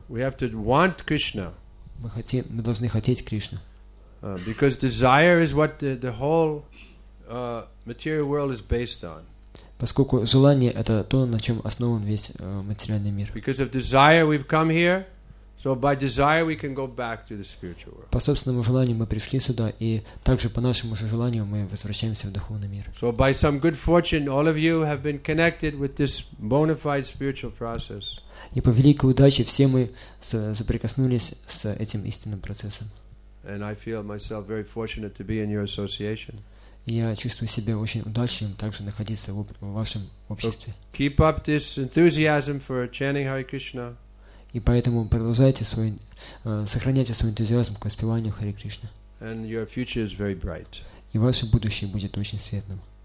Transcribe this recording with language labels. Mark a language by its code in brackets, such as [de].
[en] We have to want Krishna. [ru] Мы должны хотеть Кришну. [en] Because desire is what the whole material world is based on. [ru] Поскольку желание это то, на чем основан весь материальный мир. [en] Because of desire we've come here, so by desire we can go back to the spiritual world. [ru] По собственному желанию мы пришли сюда, и также по нашему же желанию мы возвращаемся в духовный мир. [en] So by some good fortune, all of you have been connected with this bona fide spiritual process. [ru] И по великой удаче все мы соприкоснулись с этим истинным процессом. [en] And I feel myself very fortunate to be in your association. [ru] Я чувствую себя очень удачным также находиться в вашем обществе. [en] So keep up this enthusiasm for chanting Hare Krishna. [ru] И поэтому продолжайте сохраняйте свой энтузиазм к воспеванию Харе Кришна. [en] And your future is very bright. [ru] И ваше будущее будет очень светлым.